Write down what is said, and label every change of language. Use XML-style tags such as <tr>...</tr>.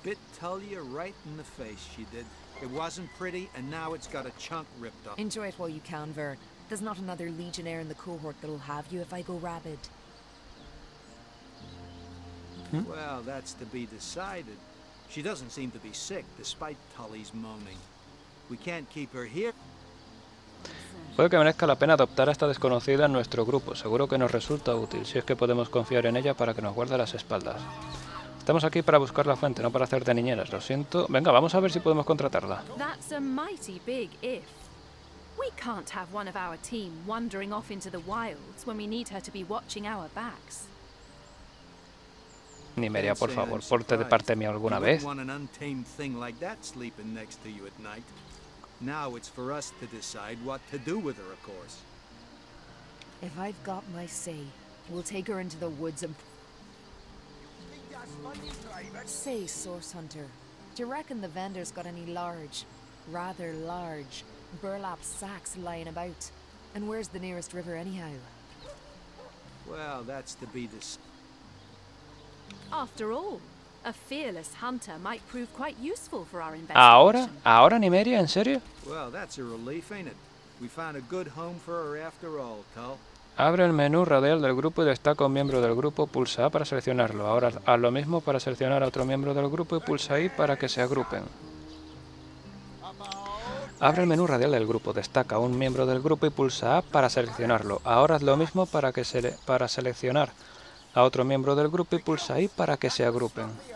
<en>Bit Tullia right in the face, she did. It wasn't pretty, and now it's got a chunk ripped off. Enjoy it while you can, Ver. There's not another legionnaire in the cohort that'll have you if I go rabid. Hmm? Well, that's to be decided. She doesn't seem to be sick, despite Tully's moaning. We can't keep her here.</en> <es>Puede que merezca la pena adoptar a esta desconocida en nuestro grupo. Seguro que nos resulta útil, si es que podemos confiar en ella para que nos guarde las espaldas. Estamos aquí para buscar la fuente, no para hacerte niñeras. Lo siento. Venga, vamos a ver si podemos contratarla.</es> <en>That's a mighty big if. We can't have one of our team wandering off into the wilds when we need her to be watching our backs.</en> <es>Nimeria, por favor, porte de parte mía alguna vez.</es> <en>You wouldn't want an untamed thing like that sleeping next to you at night. Now it's for us to decide what to do with her, of course. If I've got my say, we'll take her into the woods and... Say, Source Hunter, do you reckon the vendor's got any large, rather large, burlap sacks lying about? And where's the nearest river anyhow? Well, that's to be the... After all, a fearless hunter might prove quite useful for our investigation.</en> <es>¿Ahora? ¿Ahora, Nimeria? ¿En serio?</es> <en>Well, that's a relief, ain't it? We found a good home for her after all, Tull.</en> <es>Abre el menú radial del grupo y destaca un miembro del grupo. Pulsa A para seleccionarlo. Ahora haz lo mismo para seleccionar a otro miembro del grupo y pulsa I para que se agrupen. Abre el menú radial del grupo. Destaca un miembro del grupo y pulsa A para seleccionarlo. Ahora haz lo mismo para que se para seleccionar a otro miembro del grupo y pulsa I para que se agrupen.</es>